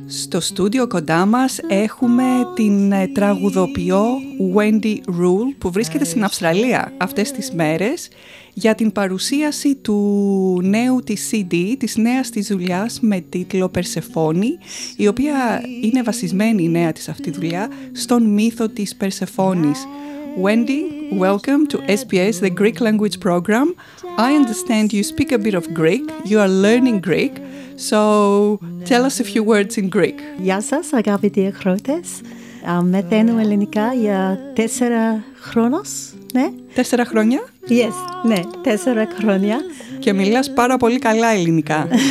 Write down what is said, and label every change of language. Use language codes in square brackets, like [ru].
[el] Στο στούντιο κοντά μας έχουμε την τραγουδοποιό Wendy Rule που βρίσκεται στην Αυστραλία αυτές τις μέρες για την παρουσίαση του νέου της CD, της νέας της δουλειάς με τίτλο Περσεφόνη, η οποία είναι βασισμένη η νέα της αυτή δουλειά στον μύθο της Περσεφόνης. [en] Wendy, welcome to SBS, the Greek language program. I understand you speak a bit of Greek. You are learning Greek. So tell us a few words in Greek. [el] Γεια σας, αγαπητοί ακρότες. Μεθαίνω ελληνικά για 4 χρόνους, ναι. 4 χρόνια? Yes, ναι, 4 χρόνια. Και μιλάς πάρα πολύ καλά ελληνικά.